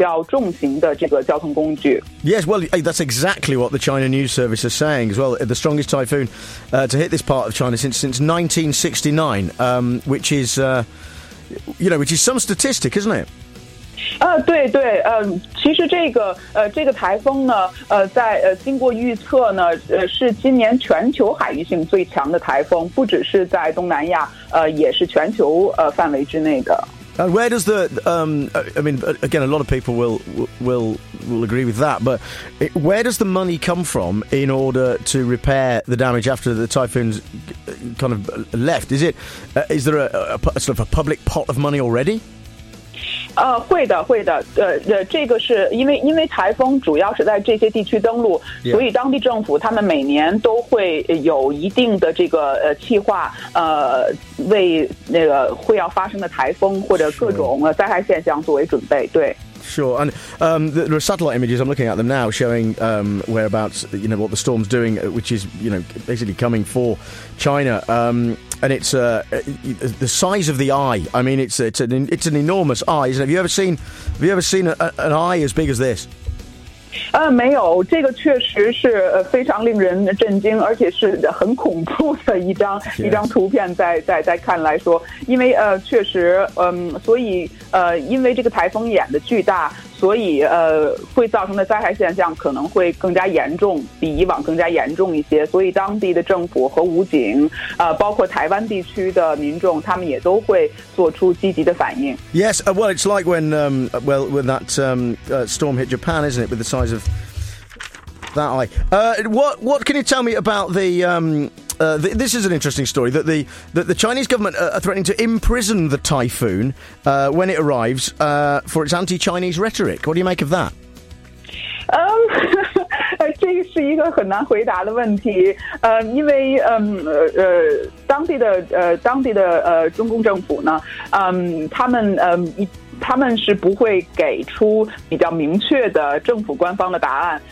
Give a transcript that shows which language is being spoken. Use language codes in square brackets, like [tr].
[zh] 大型的公共交通，比如说像公共汽车，可能会有停运的现象，而且当地政府也会通知当地的居民呢，在台风期间最好不要出门，如果必需要出门的话呢，那么也最好是选择比较重型的这个交通工具。 [en] Yes, well, that's exactly what the China News Service is saying as well. The strongest typhoon to hit this part of China since 1969, which is some statistic, isn't it? [zh] 对，其实这个台风呢，经过预测呢，是今年全球海域性最强的台风，不只是在东南亚，也是全球范围之内的。 [en] And where does the I mean, again, a lot of people will agree with that, but where does the money come from in order to repair the damage after the typhoon's kind of left? Is there a sort of a public pot of money already? [zh] 会的，这个是因为台风主要是在这些地区登陆，所以当地政府他们每年都会有一定的这个计划，为那个会要发生的台风或者各种灾害现象作为准备，对。 [en] Sure. And there are satellite images, I'm looking at them now, showing whereabouts, you know, what the storm's doing, which is, you know, basically coming for China. And it's the size of the eye. I mean, it's an enormous eye. Isn't it? Have you ever seen an eye as big as this? [zh] 没有，这个确实是非常令人震惊，而且是很恐怖的一张图片在看来说，因为确实所以因为这个台风眼的巨大，所以会造成的灾害现象可能会更加严重，比以往更加严重一些，所以当地的政府和武警包括台湾地区的民众，他们也都会做出积极的反应。 [en] Yes, well it's like when storm hit Japan, isn't it, with the size of that eye. What can you tell me about this is an interesting story, that the Chinese government are threatening to imprison the typhoon when it arrives for its anti-Chinese rhetoric. What do you make of that? [zh] 这是一个很难回答的问题，因为当地的中共政府呢，他们是不会给出比较明确的政府官方的答案。